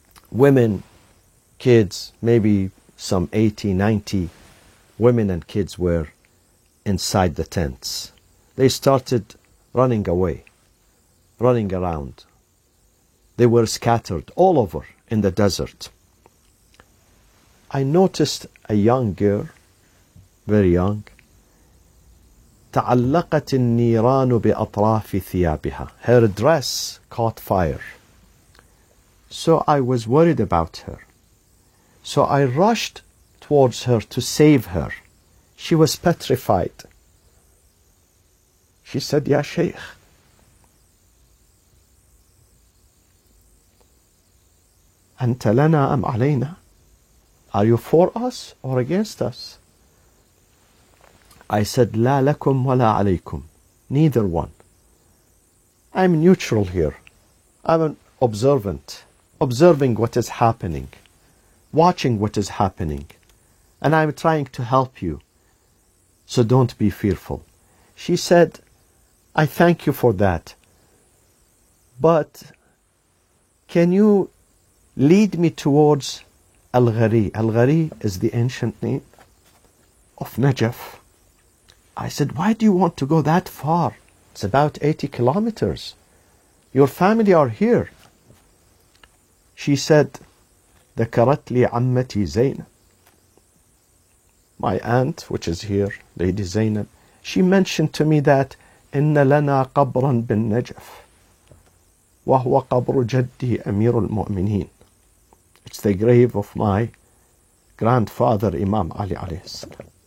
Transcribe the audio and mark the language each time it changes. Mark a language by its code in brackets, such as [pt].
[en] Women, kids, maybe some 80, 90 women and kids were inside the tents. They started running away, running around. They were scattered all over in the desert. I noticed a young girl, very young. [ar] تعلقت النيران بأطراف ثيابها. [en] Her dress caught fire. So I was worried about her. So I rushed towards her to save her. She was petrified. She said, Ya Sheikh, [ar] أنت لنا أم علينا؟ [en] Are you for us or against us? I said, [ar] لا لكم ولا عليكم. [en] Neither one. I'm neutral here. I'm an observant. Observing what is happening. Watching what is happening. And I'm trying to help you. So don't be fearful. She said, I thank you for that. But can you lead me towards Al-Ghari? Al-Ghari is the ancient name of Najaf. I said, why do you want to go that far? It's about 80 kilometers. Your family are here. She said, [ar] ذكرت لي عمتي زينب. [en] My aunt, which is here, Lady Zainab, she mentioned to me that [ar] إِنَّ لَنَا قَبْرًا بِالنَّجَفِ وَهُوَ قَبْرُ جَدِّي أَمِيرُ الْمُؤْمِنِينَ. [en] It's the grave of my grandfather, Imam Ali [ar] عليه السلام.